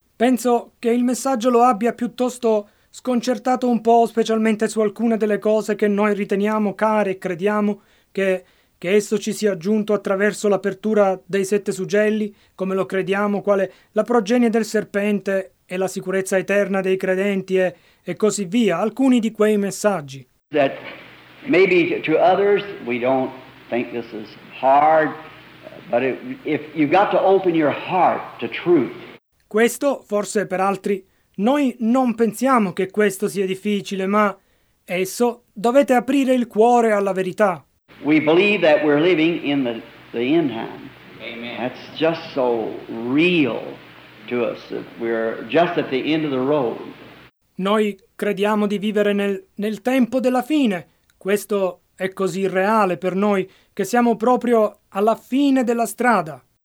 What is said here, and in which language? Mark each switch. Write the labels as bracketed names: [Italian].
[Italian] Penso che il messaggio lo abbia piuttosto sconcertato un po', specialmente su alcune delle cose che noi riteniamo care e crediamo che esso ci sia giunto attraverso l'apertura dei sette suggelli, come lo crediamo, quale la progenie del serpente e la sicurezza eterna dei credenti e così via, alcuni di quei messaggi. [English] That maybe to others we don't think this is hard, but if you've got to open your heart to truth. [Italian] Questo forse per altri noi non pensiamo che questo sia difficile, ma esso dovete aprire il cuore alla verità. [English] We believe that we're living in the end time. Amen. That's just so real to us. We're just at the end of the road. [Italian] Noi crediamo di vivere nel tempo della fine. Questo è così reale per noi che siamo proprio alla fine della strada.